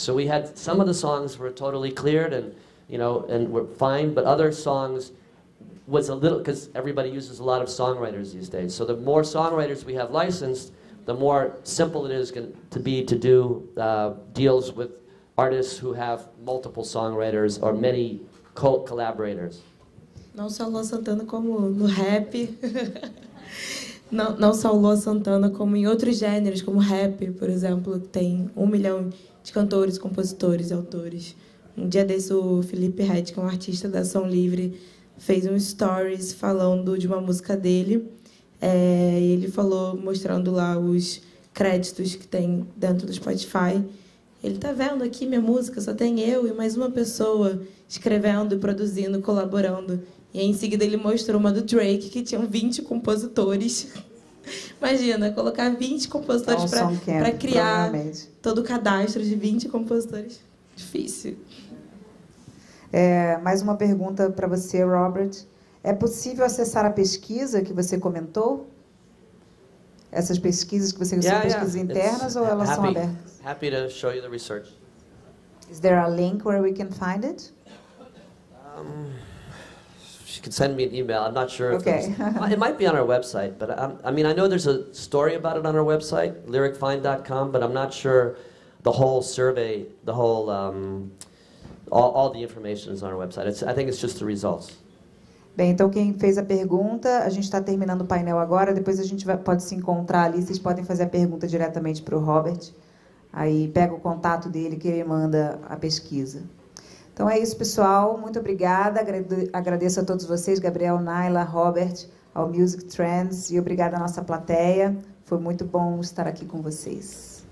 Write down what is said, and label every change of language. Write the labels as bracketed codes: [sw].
[en] So we had, some of the songs were totally cleared and, you know, and were fine, but other songs was a little, because everybody uses a lot of songwriters these days. So the more songwriters we have licensed, the more simple it is to be to do deals with artists who have multiple songwriters or many collaborators. [pt] Não só o Luan Santana como no rap. Não só o Luan Santana como em outros gêneros, como rap, por exemplo, tem 1 milhão de cantores, compositores e autores. Um dia desse, o Felipe Red, que é um artista da Ação Livre, fez um stories falando de uma música dele. Ele falou, mostrando lá os créditos que tem dentro do Spotify. Ele tá vendo aqui minha música, só tem eu e mais uma pessoa escrevendo, produzindo, colaborando. E aí, em seguida, ele mostrou uma do Drake, que tinha 20 compositores. Imagina, colocar 20 compositores para criar todo o cadastro de 20 compositores. Difícil. Mais uma pergunta para você, Robert. É possível acessar a pesquisa que você comentou? Essas pesquisas que você são pesquisas internas ou elas são abertas? [en] Happy to show you the research. Is there a link where we can find it? She can send me an email. I'm not sure. Okay. It might be on our website, but I know there's a story about it on our website, lyricfind.com, but I'm not sure the whole survey, the whole all the information is on our website. I think it's just the results. [pt] Bem, então quem fez a pergunta, a gente está terminando o painel agora, depois a gente pode se encontrar ali, vocês podem fazer a pergunta diretamente para o Robert, aí pega o contato dele que ele manda a pesquisa. Então é isso, pessoal, muito obrigada, agradeço a todos vocês, Gabriel, Naila, Robert, ao Music Trends, e obrigada à nossa plateia, foi muito bom estar aqui com vocês.